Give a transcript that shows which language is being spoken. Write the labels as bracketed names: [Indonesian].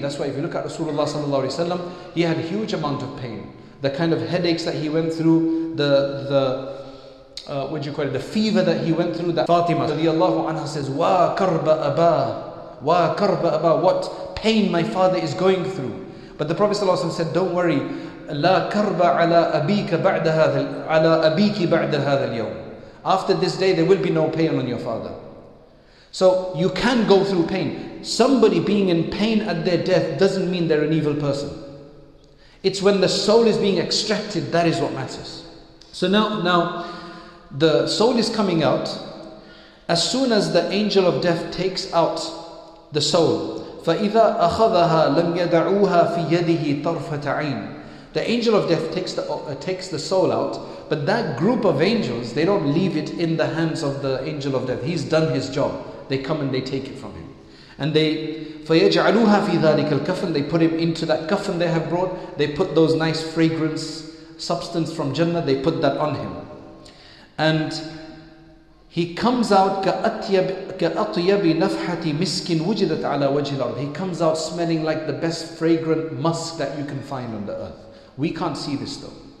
[English] That's why if you look at Rasulullah sallallahu alaihi wasallam, he had a huge amount of pain. The kind of headaches that he went through, the fever that he went through, that Fatima radiallahu anha says, [Arabic] wa karba aba, wa karba aba, [English] what pain my father is going through. But the Prophet sallallahu alaihi wasallam said, don't worry, [Arabic] لا كرب على أبيك بعد هذا على أبيك بعد هذا اليوم. [English] After this day, there will be no pain on your father. So you can go through pain. Somebody being in pain at their death doesn't mean they're an evil person. It's when the soul is being extracted that is what matters. So now the soul is coming out. As soon as the angel of death takes out the soul, [Arabic] فَإِذَا أَخَذَهَا لَمْ يَدَعُوهَا فِي يَدِهِ طَرْفَةَ عَيْنٍ. [English] The angel of death takes the soul out, but that group of angels, they don't leave it in the hands of the angel of death. He's done his job. They come and they take it from him. And they, [Arabic] فَيَجْعَلُوهَا فِي ذَلِكَ الْكَفَنِ. [English] They put him into that kafan they have brought. They put those nice fragrance substance from Jannah, they put that on him. And he comes out, [Arabic] كَأَطْيَبِ نَفْحَةِ مِسْكٍ وُجِدَتْ عَلَى وَجْهِ الْأَرْضِ. [English] He comes out smelling like the best fragrant musk that you can find on the earth. We can't see this though.